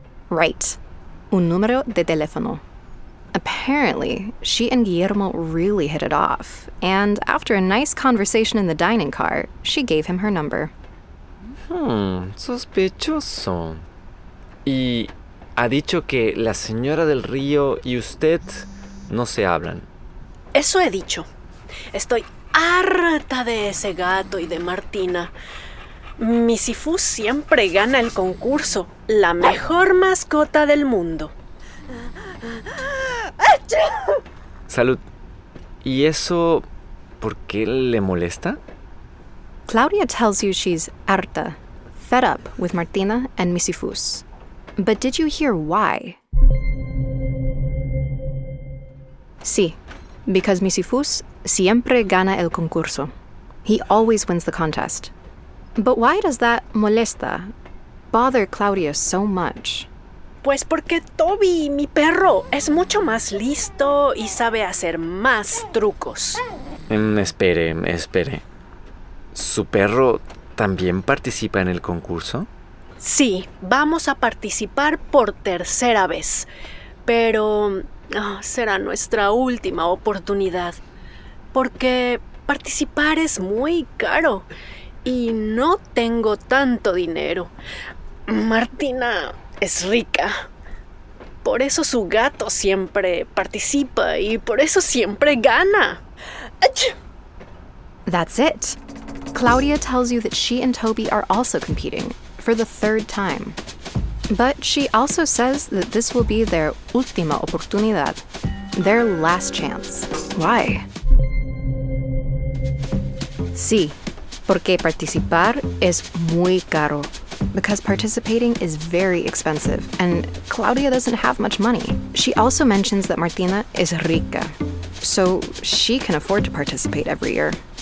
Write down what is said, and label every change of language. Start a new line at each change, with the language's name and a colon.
English: Right.
Spanish: Un número de teléfono.
English: Apparently, she and Guillermo really hit it off, and after a nice conversation in the dining car, she gave him her number.
Spanish: Sospechoso. Y ha dicho que la señora del río y usted no se hablan. Eso he dicho. Estoy harta de ese gato y de Martina. Mi Sifu siempre gana el concurso. La mejor mascota del mundo. Salud. ¿Y eso por qué le molesta?
English: Claudia tells you she's harta, fed up with Martina and mi Sifus. But did you hear why?
Spanish: Sí,
English: because
Spanish: mi Sifus siempre gana el concurso.
English: He always wins the contest. But why does that molesta bother Claudia so much?
Spanish: Pues porque Toby, mi perro, es mucho más listo y sabe hacer más trucos. Espere. ¿Su perro también participa en el concurso? Sí, vamos a participar por tercera vez. Pero será nuestra última oportunidad. Porque participar es muy caro. y no tengo tanto dinero. Martina es rica. Por eso su gato siempre participa y por eso siempre gana.
English: That's it. Claudia tells you that she and Toby are also competing for the third time. But she also says that this will be their
Spanish: última oportunidad,
English: their last chance. Why?
Spanish: Sí, porque participar es muy caro.
English: Because participating is very expensive, and Claudia doesn't have much money. She also mentions that Martina is rica, so she can afford to participate every year.